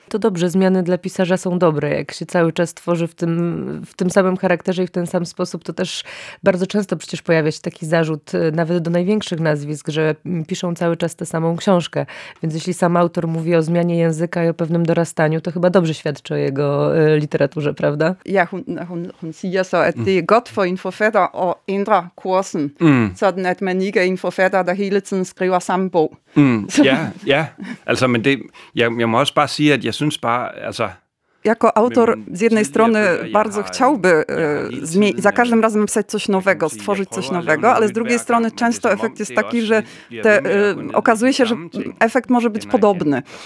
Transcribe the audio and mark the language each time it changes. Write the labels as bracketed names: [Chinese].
[Polish] To dobrze, zmiany dla pisarza są dobre. Jak się cały czas tworzy w tym samym charakterze i w ten sam sposób, to też bardzo często przecież pojawia się taki zarzut nawet do największych nazwisk, że piszą cały czas tę samą książkę. Więc jeśli sam autor mówi o zmianie języka i o pewnym dorastaniu, to chyba dobrze świadczy o jego literaturze, prawda? [Danish] Ja, hun siger så, at det er godt for en forfatter at ændre kursen, sådan at man ikke er en forfatter, der hele tiden skriver samme bog. Ja, altså, men det, jeg må også bare sige, at jeg synes bare, altså... [Polish] Jako autor z jednej strony bardzo chciałby za każdym razem pisać coś nowego, stworzyć coś nowego, ale z drugiej strony często efekt jest taki, że okazuje się, że efekt może być podobny.